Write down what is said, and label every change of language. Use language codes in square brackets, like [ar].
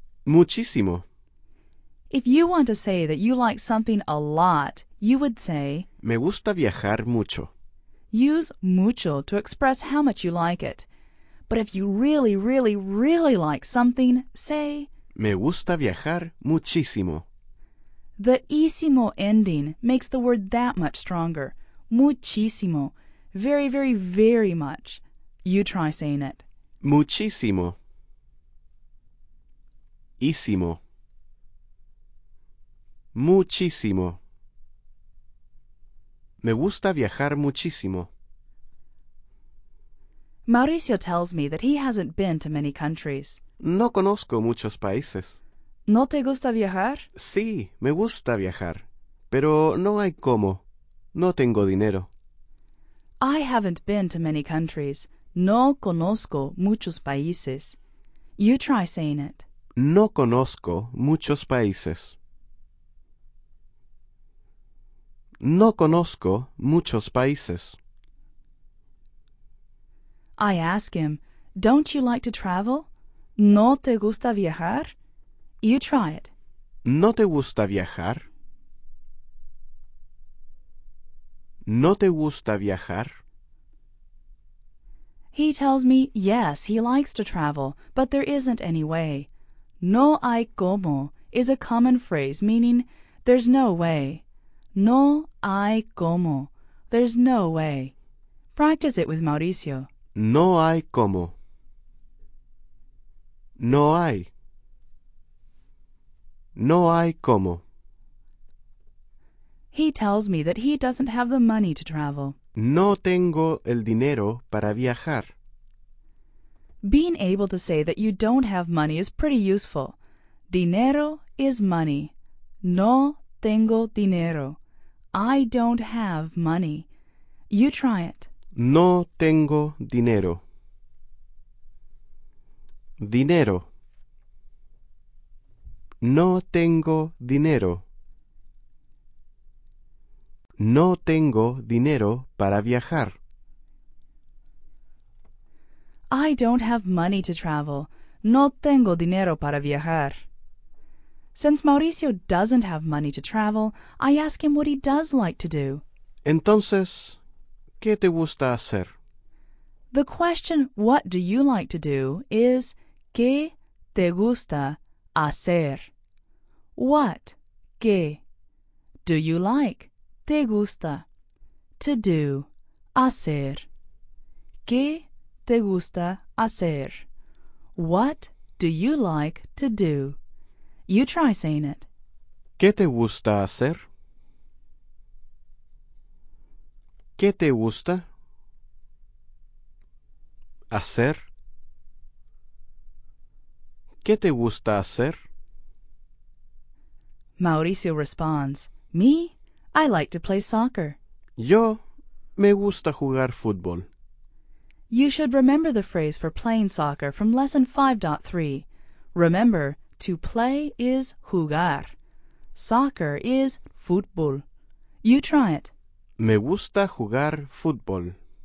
[es] muchísimo. [en] If you want to say that you like something a lot, you would say [es] me gusta viajar mucho. [en] Use mucho to express how much you like it. But if you really, really, really like something, say [es] me gusta viajar muchísimo. [en] The ísimo ending makes the word that much stronger. Muchísimo. Very, very, very much. You try saying it. [es] Muchísimo. Ísimo. Muchísimo. Me gusta viajar muchísimo. [en] Mauricio tells me that he hasn't been to many countries. [es] No conozco muchos países. ¿No te gusta viajar? Sí, me gusta viajar. Pero no hay cómo. No tengo dinero. [en] I haven't been to many countries. [es] No conozco muchos países. [en] You try saying it. [es] No conozco muchos países. No conozco muchos países. [en] I ask him, don't you like to travel? [es] ¿No te gusta viajar? [en] You try it. [es] ¿No te gusta viajar? ¿No te gusta viajar? [en] He tells me, yes, he likes to travel, but there isn't any way. [es] No hay cómo [en] is a common phrase meaning there's no way. [es] No hay cómo. [en] There's no way. Practice it with Mauricio. [es] No hay cómo. No hay. No hay cómo. [en] He tells me that he doesn't have the money to travel. [es] No tengo el dinero para viajar. [en] Being able to say that you don't have money is pretty useful. [es] Dinero [en] is money. [es] No tengo dinero. [en] I don't have money. You try it. [es] No tengo dinero. Dinero. No tengo dinero. No tengo dinero para viajar. [en] I don't have money to travel. [es] No tengo dinero para viajar. [en] Since Mauricio doesn't have money to travel, I ask him what he does like to do. [es] Entonces, ¿qué te gusta hacer? [en] The question, what do you like to do, is [es] ¿qué te gusta hacer? [en] What? [es] ¿Qué? [en] Do you like? [es] ¿Te gusta? [en] To do. [es] Hacer. ¿Qué te gusta hacer? [en] What do you like to do? You try saying it. [es] ¿Qué te gusta hacer? ¿Qué te gusta hacer? ¿Qué te gusta hacer? [en] Mauricio responds, me? I like to play soccer. [es] Yo me gusta jugar fútbol. [en] You should remember the phrase for playing soccer from lesson 5.3. Remember, to play is jugar. Soccer is fútbol. You try it. [es] Me gusta jugar fútbol.